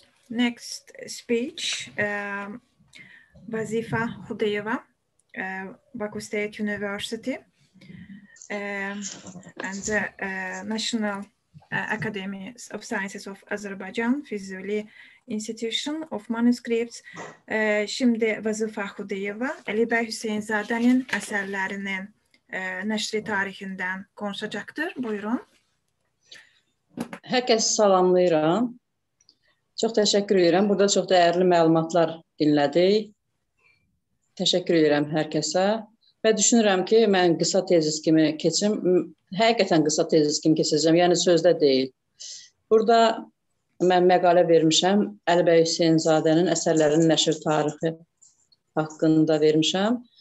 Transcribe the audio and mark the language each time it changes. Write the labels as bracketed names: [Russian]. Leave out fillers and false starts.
[English] Next speech, Vazifa Hudayeva, Baku State University, and the National Academy of Sciences of Azerbaijan, Fizuli Institution of Manuscripts. [Turkish] Şimdi Vazifa Hudayeva, Ali Bey Hüseyinzade'nin eserlerinin neşri tarihinden konuşacaktır. Buyurun. [Azerbaijani] Herkes salamlayıram. [Turkish] Çok teşekkür ederim. Burada çok değerli məlumatlar dinledik. Teşekkür ederim herkese. Ve düşünürüm ki, mən kısa tezis kimi keçim. Hakikaten kısa tezis kimi keçeceğim. Yani sözde değil. [Azerbaijani] Burada mən məqalə vermişim. [Turkish] Ali Bey Hüseyinzadənin eserlerinin neşri tarihi hakkında vermişim.